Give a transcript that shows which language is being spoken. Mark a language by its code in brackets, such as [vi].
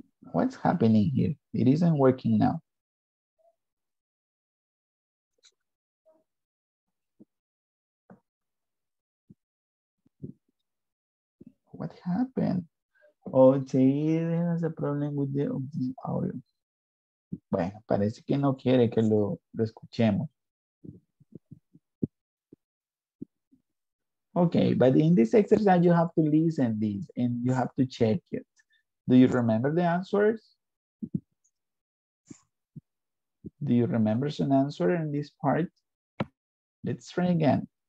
[en] What's happening here? It isn't working now. What happened? Oh, there is a problem with the audio. [es] Bueno, parece que no quiere que lo escuchemos. [en] Okay, but in this exercise, you have to listen this and you have to check it. Do you remember the answers? Do you remember some answer in this part? Let's try again.